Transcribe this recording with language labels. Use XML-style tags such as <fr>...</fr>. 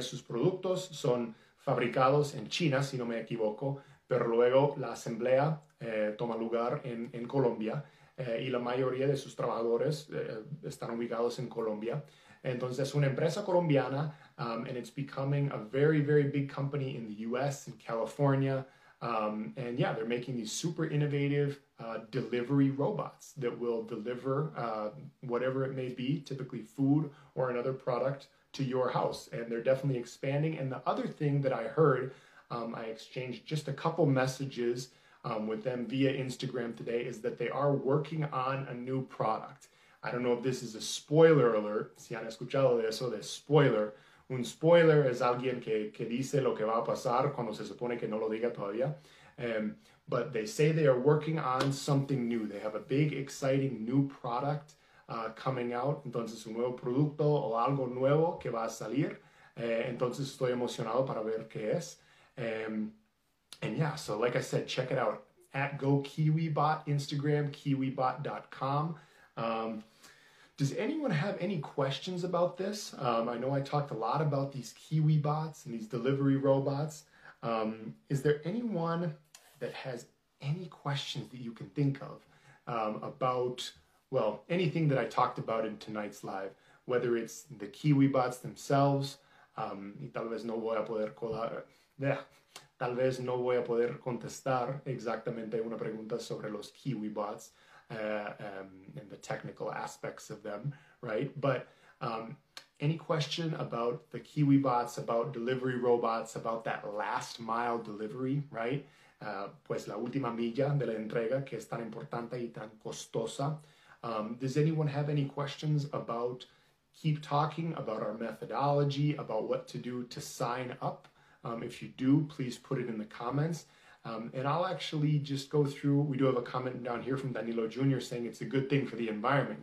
<es>Sus productos son fabricados en China, si no me equivoco, pero luego la asamblea toma lugar en Colombia, y la mayoría de sus trabajadores están ubicados en Colombia. Entonces, una empresa colombiana,</es> <en>and it's becoming a very, very big company in the U.S., in California. And yeah, they're making these super innovative delivery robots that will deliver whatever it may be, typically food or another product, to your house. And they're definitely expanding. And the other thing that I heard, I exchanged just a couple messages with them via Instagram today, is that they are working on a new product. I don't know if this is a spoiler alert.</en> <es>Si han escuchado de eso, de spoiler. Un spoiler es alguien que dice lo que va a pasar cuando se supone que no lo diga todavía.</es> <en>But they say they are working on something new. They have a big, exciting new product coming out.</en> <es>Entonces, un nuevo producto o algo nuevo que va a salir. Entonces, estoy emocionado para ver qué es.</es> <en>And yeah, so like I said, check it out. At GoKiwiBot, Instagram, kiwibot.com. Does anyone have any questions about this? I know I talked a lot about these Kiwi bots and these delivery robots. Is there anyone that has any questions that you can think of about, well, anything that I talked about in tonight's live, whether it's the Kiwi bots themselves,</en> <es>tal vez no voy a poder contestar exactamente una pregunta sobre los Kiwi bots.</es> <en>And the technical aspects of them, right? But any question about the Kiwi bots, about delivery robots, about that last mile delivery, right?</en> <es>Pues la última milla de la entrega que es tan importante y tan costosa.</es> <en>Does anyone have any questions about keep talking, about our methodology, about what to do to sign up? If you do, please put it in the comments. And I'll actually just go through, we do have a comment down here from Danilo Jr. saying it's a good thing for the environment.</en>